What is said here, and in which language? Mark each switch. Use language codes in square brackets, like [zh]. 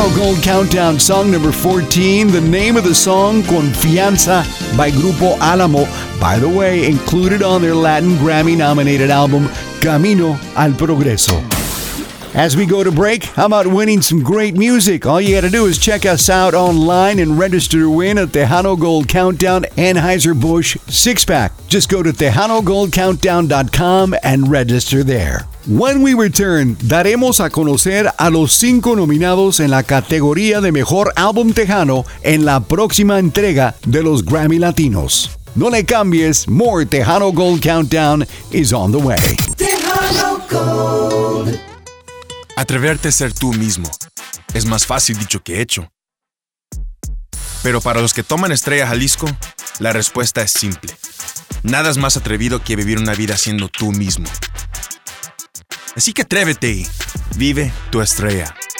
[en] Gold Countdown song number 14, the name of the song, Confianza, by Grupo Álamo, by the way, included on their Latin Grammy nominated album Camino al Progreso. As we go to break, how about winning some great music? All you gotta do is check us out online and register to win a Tejano Gold Countdown Anheuser-Busch six-pack. Just go to TejanoGoldCountdown.com and register there. When we return, [es] daremos a conocer a los cinco nominados en la categoría de Mejor Álbum Tejano en la próxima entrega de los Grammy Latinos. No le cambies, [en] more Tejano Gold Countdown is on the way. Tejano Gold. [es] Atreverte a ser tú mismo es más fácil dicho que hecho. Pero para los que toman Estrella Jalisco, la respuesta es simple. Nada es más atrevido que vivir una vida siendo tú mismo. Así que atrévete y vive tu estrella.